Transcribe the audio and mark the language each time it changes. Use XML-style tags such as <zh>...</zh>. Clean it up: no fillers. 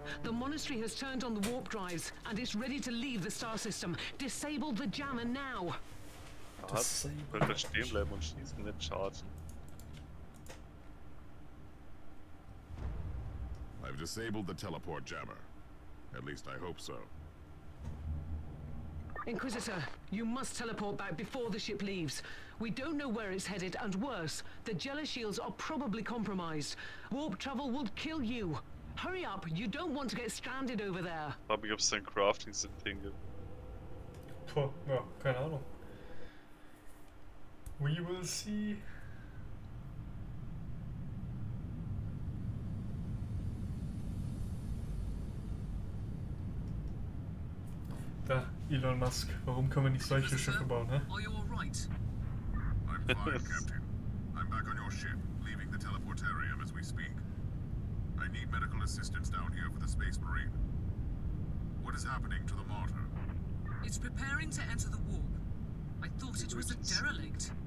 <en>The monastery has turned on the warp drives and is ready to leave the star system. Disable the jammer now.</en> <de>Was? Wir können stehen bleiben und schießen, nicht chargen.</de> <en>I've disabled the teleport jammer. At least I hope so. Inquisitor, you must teleport back before the ship leaves. We don't know where it's headed, and worse, the Jella shields are probably compromised. Warp travel will kill you. Hurry up, you don't want to get stranded over there.</en> <de>Hab ich auf sein Crafting sind Dinge. Ja, keine Ahnung.</de> <en>We will see.</en> <de>Da, Elon Musk, warum können wir nicht solche Schiffe bauen, ne?</de> <en>Are you all right? I'm fine, Captain. I'm back on your ship, leaving the teleportarium as we speak. I need medical assistance down here for the Space Marine. What is happening to the martyr? It's preparing to enter the warp. I thought it was a derelict.</en>